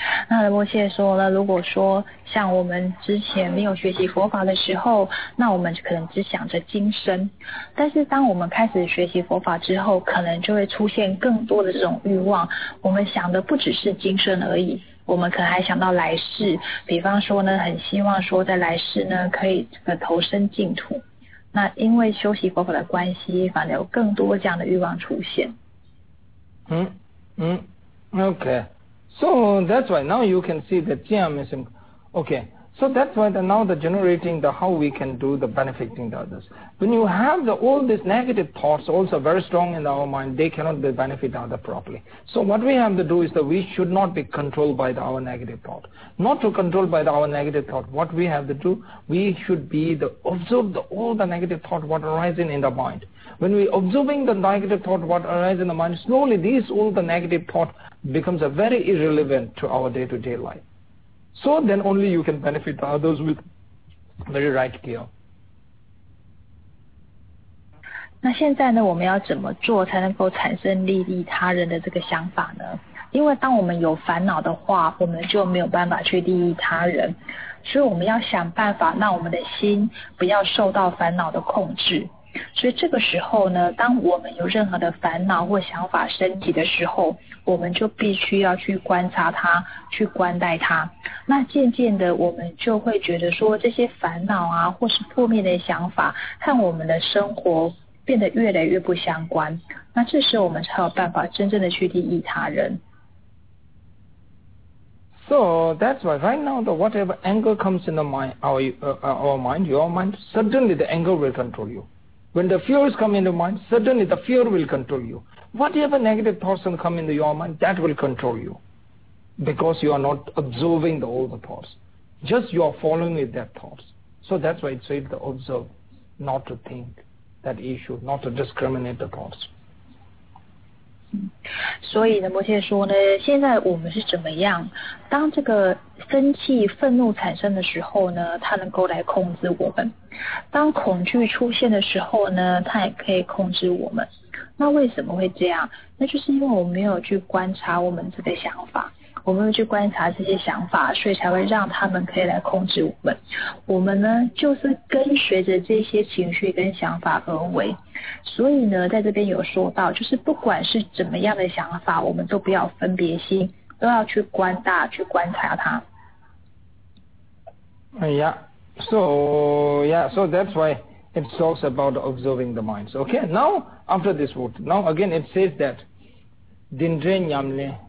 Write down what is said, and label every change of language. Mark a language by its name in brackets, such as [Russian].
[Chinese] 那仁波切说呢，如果说像我们之前没有学习佛法的时候，那我们可能只想着今生，但是当我们开始学习佛法之后，可能就会出现更多的这种欲望，我们想的不只是今生而已，我们可能还想到来世，比方说呢，很希望说在来世呢可以这个投身净土，那因为修习佛法的关系，反而有更多这样的欲望出现。 [English] Okay. So that's why now you can see that jiam is okay. So that's why how we can do the benefiting the others. When you have all these negative thoughts also very strong in our mind, they cannot be benefit other properly. So what we have to do is that we should not be controlled by our negative thought. Not to control by our negative thought. What we have to do, we should be observe all the negative thought what arising in the mind. When we observing the negative thought what arises in the mind, slowly these all the negative thought becomes a very irrelevant to our day-to-day life. So then only you can benefit others with very right care. [Chinese] 那现在呢，我们要怎么做才能够产生利益他人的这个想法呢？因为当我们有烦恼的话，我们就没有办法去利益他人。所以我们要想办法让我们的心不要受到烦恼的控制。所以这个时候呢，当我们有任何的烦恼或想法升起的时候，我们就必须要去观察它，去观待它。那渐渐的，我们就会觉得说，这些烦恼啊，或是负面的想法，和我们的生活变得越来越不相关。那这时候我们才有办法真正的去利益他人。 [English] So that's why right now the whatever anger comes in the mind, your mind, suddenly the anger will control you. When the fear is coming into mind, suddenly the fear will control you. Whatever negative thoughts come into your mind, that will control you. Because you are not observing all the thoughts. Just you are following with that thoughts. So that's why it says to observe, not to think that issue, not to discriminate the thoughts. [Chinese] 所以呢，摩羯说呢，现在我们是怎么样？当这个生气、愤怒产生的时候呢，它能够来控制我们；当恐惧出现的时候呢，它也可以控制我们。那为什么会这样？那就是因为我们没有去观察我们这个想法，我们没有去观察这些想法，所以才会让他们可以来控制我们。我们呢，就是跟随着这些情绪跟想法而为。所以呢，在这边有说到，就是不管是怎么样的想法，我们都不要分别心，都要去观大，去观察它。 [English] Yeah, so that's why it talks about observing the mind. So, okay, now, after this word, now again it says that, Dindrenyamle.